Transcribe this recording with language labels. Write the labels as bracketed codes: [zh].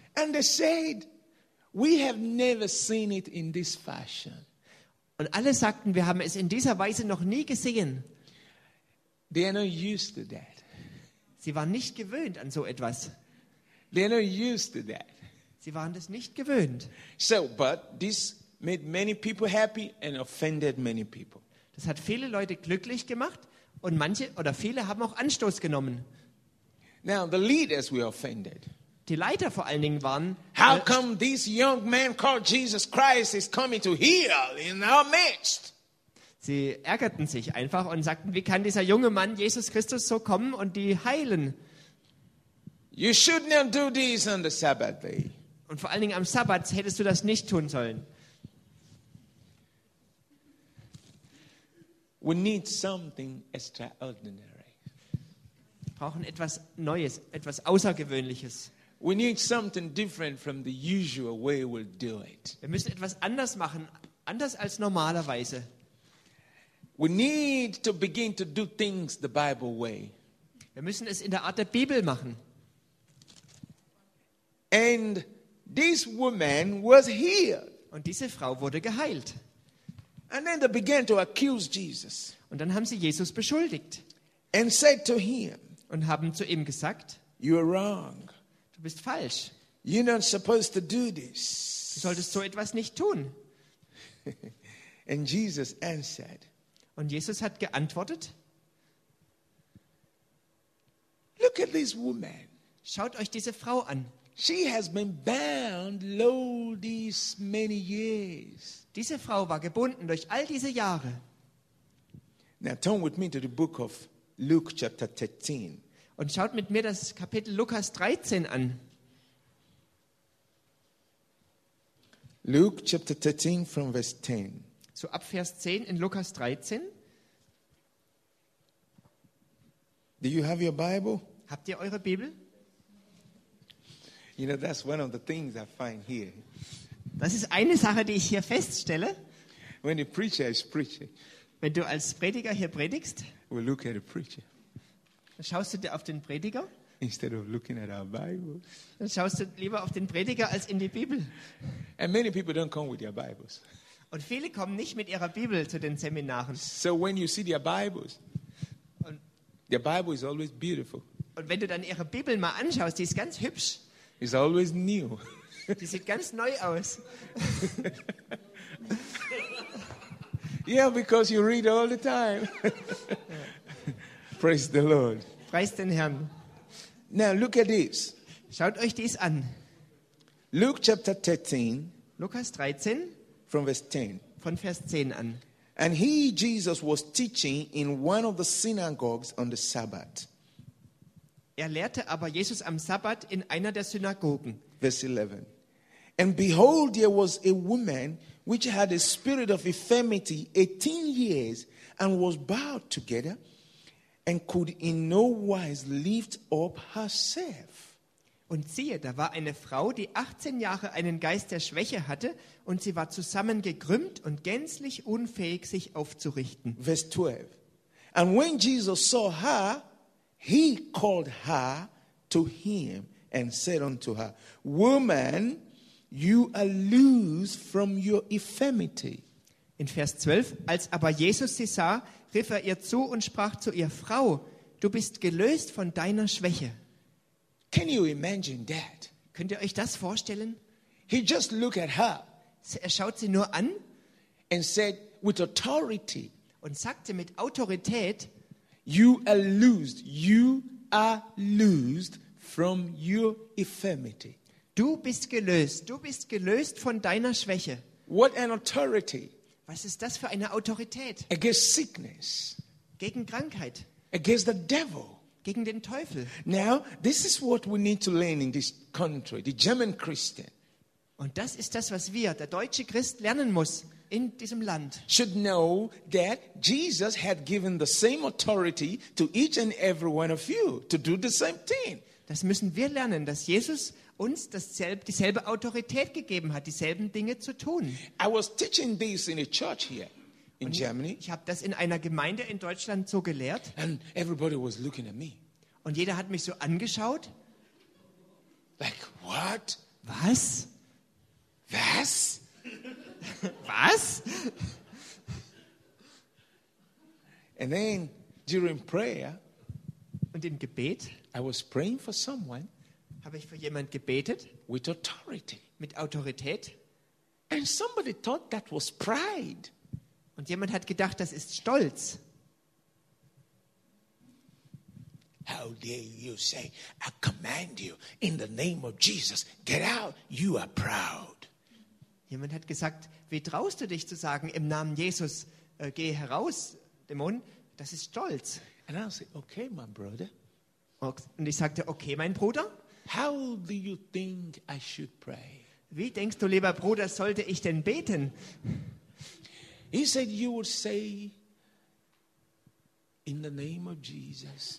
[en] And they said, we have never seen it in this fashion. [de] Und alle sagten, wir haben es in dieser Weise noch nie gesehen. [en] They are not used to that. [de] Sie waren nicht gewöhnt an so etwas. [en] They are not used to that. [de] Sie waren das nicht gewöhnt. [en] So, but this made many people happy and offended many people. [de] Das hat viele Leute glücklich gemacht und manche oder viele haben auch Anstoß genommen. [en] Now the leaders were offended. [de] Die Leiter vor allen Dingen waren. [en] How come this young man called Jesus Christ is coming to heal in our midst? [de] Sie ärgerten sich einfach und sagten, wie kann dieser junge Mann Jesus Christus so kommen und die heilen? [en] You should not do this on the Sabbath day. [de] Und vor allen Dingen am Sabbat hättest du das nicht tun sollen. [en] We need something extraordinary. [de] Wir brauchen etwas Neues, etwas Außergewöhnliches. [en] We need something different from the usual way we'll do it. [de] Wir müssen etwas anders machen, anders als normalerweise. [en] We need to begin to do things the Bible way. [de] Wir müssen es in der Art der Bibel machen. [en] And this woman was healed. [de] Und diese Frau wurde geheilt. [en] And then they began to accuse Jesus. [de] Und dann haben sie Jesus beschuldigt. [en] And said to him. [de] Und haben zu ihm gesagt. [en] You are wrong. [de] Du bist falsch. [en] You're not supposed to do this. [de] Du solltest so etwas nicht tun. [en] And Jesus answered. [de] Und Jesus hat geantwortet. [en] Look at this woman. [de] Schaut euch diese Frau an. [en] She has been bound low these many years. [de] Diese Frau war gebunden durch all diese Jahre. [en] Now turn with me to the book of Luke chapter 13. [de] Und schaut mit mir das Kapitel Lukas 13 an. [en] Luke chapter 13 from verse 10. [de] So ab Vers 10 in Lukas 13. [en] Do you have your Bible? [de] Habt ihr eure Bibel? [en] You know, that's one of the things I find here. [de] Das ist eine Sache, die ich hier feststelle. [en] When the preacher is preaching, [de] wenn du als Prediger hier predigst, [en] we look at the preacher. [de] Dann schaust du dir auf den Prediger. [en] Instead of looking at our Bible. [de] Dann schaust du lieber auf den Prediger als in die Bibel. [en] And many people don't come with their Bibles. [de] Und viele kommen nicht mit ihrer Bibel zu den Seminaren. [en] So when you see their Bibles, their Bible is always beautiful. [de] Und wenn du dann ihre Bibel mal anschaust, die ist ganz hübsch. [en] It's always new. [de] Die sieht ganz neu aus. [en] Yeah, because you read all the time. Praise the Lord. [de] Preist den Herrn. [en] Now look at this. [de] Schaut euch dies an. [en] Luke chapter 13. [de] Lukas 13. [en] From verse 10. [de] Von Vers 10 an. [en] And he, Jesus, was teaching in one of the synagogues on the Sabbath. [de] Er lehrte aber Jesus am Sabbat in einer der Synagogen. [en] Verse 11. And behold, there was a woman which had a spirit of infirmity 18 years and was bowed together and could in no wise lift up herself. [de] Und siehe, da war eine Frau, die 18 Jahre einen Geist der Schwäche hatte und sie war zusammengekrümmt und gänzlich unfähig, sich aufzurichten. [en] Verse 12. And when Jesus saw her, he called her to him and said unto her, Woman, you are loose from your infirmity. [de] In Vers 12, als aber Jesus sie sah, rief er ihr zu und sprach zu ihr, Frau, du bist gelöst von deiner Schwäche. [en] Can you imagine that? [de] Könnt ihr euch das vorstellen? [en] He just looked at her. [de] Er schaut sie nur an. [en] And said with authority. [de] Und sagte mit Autorität. [en] You are loosed. You are loosed from your infirmity. [de] Du bist gelöst. Du bist gelöst von deiner Schwäche. [en] What an authority. [de] Was ist das für eine Autorität? [en] Against sickness. [de] Gegen Krankheit. [en] Against the devil. [de] Gegen den Teufel. [en] Now, this is what we need to learn in this country, the German Christian. [de] Und das ist das, was wir, der deutsche Christ, lernen muss in diesem Land. [en] Should know that Jesus had given the same authority to each and every one of you to do the same thing. [de] Das müssen wir lernen, dass Jesus uns dieselbe Autorität gegeben hat, dieselben Dinge zu tun. [en] I was teaching this in a church here. In Germany. [de] Ich habe das in einer Gemeinde in Deutschland so gelehrt. [en] And everybody was looking at me. [de] Und jeder hat mich so angeschaut. [en] Like, what? [de] Was? Was? Was? [en] And then, during prayer, [de] und im Gebet, [en] I was praying for someone, [de] habe ich für jemand gebetet, [en] with authority. [de] Mit Autorität. [en] And somebody thought that was pride. [de] Und jemand hat gedacht, das ist Stolz. [en] How dare you say, I command you in the name of Jesus, get out, you are proud. [de] Jemand hat gesagt, wie traust du dich zu sagen, im Namen Jesus, geh heraus, Dämon, das ist Stolz. [en] And I said, okay, my brother. [de] Und ich sagte, okay, mein Bruder. [en] How do you think I should pray? [de] Wie denkst du, lieber Bruder, sollte ich denn beten? [en] He said, "You would say, in the name of Jesus."